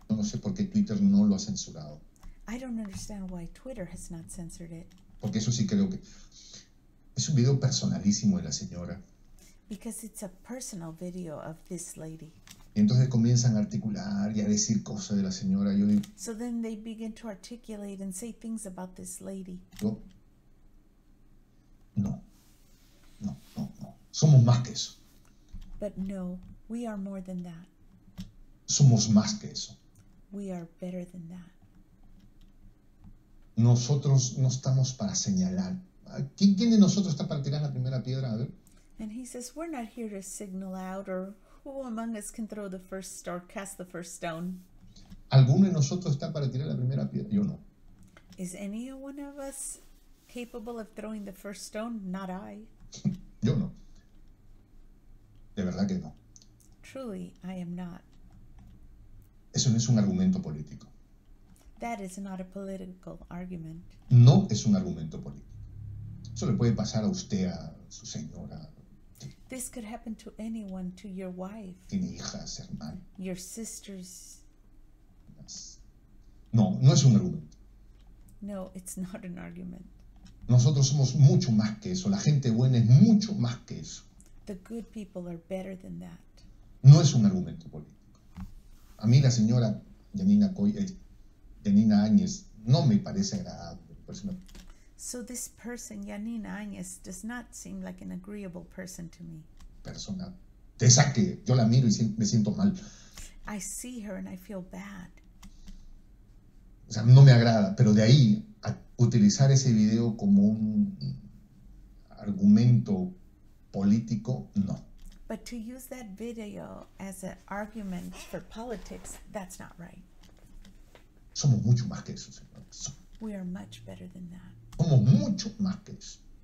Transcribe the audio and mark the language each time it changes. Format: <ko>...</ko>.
<es>No, no sé por qué Twitter no lo ha censurado.</es> <en>I don't understand why Twitter has not censored it.</en> <es>Porque eso sí creo que es un video personalísimo de la señora.</es> <en>Because it's a personal video of this lady.</en> <es>Y entonces comienzan a articular y a decir cosas de la señora. Yo digo,</es> <en>so then they begin to articulate and say things about this lady.</en> <es>Yo, no. Somos más que eso.</es> <en>But no, we are more than that.</en> <es>Somos más que eso.</es> <en>We are better than that.</en> <es>Nosotros no estamos para señalar. ¿Quién de nosotros está para tirar la primera piedra? A ver.</es> <en>And he says, we're not here to signal out, or who among us can throw the first or cast the first stone.</en> <es>¿Alguno de nosotros está para tirar la primera piedra? Yo no.</es> <en>Is any one of us capable of throwing the first stone? Not I.</en> <es>Yo no. De verdad que no.</es> <en>Truly, I am not.</en> <es>Eso no es un argumento político.</es> <en>That is not a political argument.</en> <es>No es un argumento político. Eso le puede pasar a usted, a su señora.</es> <en>This could happen to anyone, to your wife.</en> <es>Tiene hijas, hermano.</es> <en>Your sisters.</en> <es>No, no es un argumento.</es> <en>No, it's not an argument.</en> <es>Nosotros somos mucho más que eso. La gente buena es mucho más que eso.</es> <en>The good people are better than that.</en> <es>No es un argumento político. A mí la señora Yanina Coy... Yanina Áñez no me parece agradable.</es> <en>So this person, Yanina Áñez, does not seem like an agreeable person to me.</en> <es>Persona. De esa que yo la miro y me siento mal.</es> <en>I see her and I feel bad.</en> <es>O sea, no me agrada. Pero de ahí, a utilizar ese video como un argumento político, no.</es> <en>But to use that video as an argument for politics, that's not right.</en> <es>Somos mucho más que eso, señores.</es> <en>We are much better than that.</en> <es>Somos mucho más que eso.</es>